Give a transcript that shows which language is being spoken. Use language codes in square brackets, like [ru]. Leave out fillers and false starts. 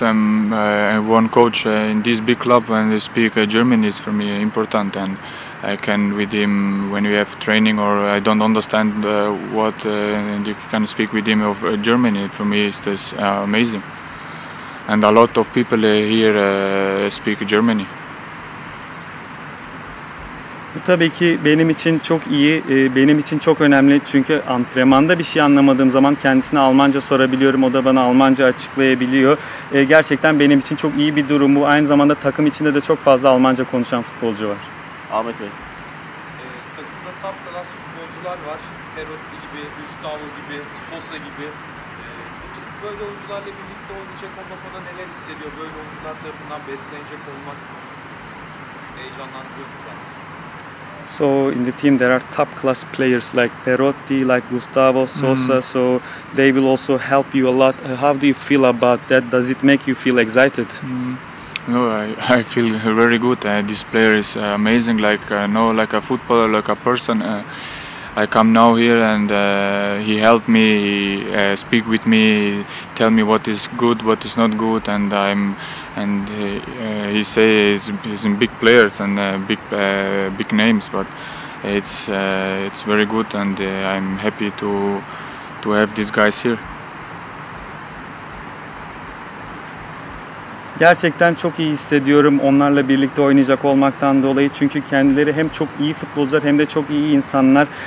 [en] I'm one coach in this big club, and they speak German is for me important. And I can with him when we have training, or I don't understand what, and you can speak with him of German. For me, it's just amazing. And a lot of people here speak German. [tr] Bu tabii ki benim için çok iyi, benim için çok önemli, çünkü antrenmanda bir şey anlamadığım zaman kendisine Almanca sorabiliyorum, o da bana Almanca açıklayabiliyor. Gerçekten benim için çok iyi bir durum bu. Aynı zamanda takım içinde de çok fazla Almanca konuşan futbolcu var. Ahmet Bey. Takımda top class futbolcular var. Perotti gibi, Gustavo gibi, Sosa gibi. Böyle oyuncularla birlikte oynayacak olmak ona neler hissediyor? Böyle oyuncular tarafından beslenecek olmak heyecanlandırıyor mu kendisi? [en] So in the team there are top class players like Perotti, like Gustavo Sosa, so they will also help you a lot. How do you feel about that? Does it make you feel excited? No, I feel very good. This player is amazing, like a footballer, like a person. I come now here and he helped me, he speak with me, tell me what is good, what is not good, and I'm and he say he's in big players and big big names, but it's very good and I'm happy to have these guys here. [tr] Gerçekten çok iyi hissediyorum onlarla birlikte oynayacak olmaktan dolayı. Çünkü kendileri hem çok iyi futbolcular hem de çok iyi insanlar.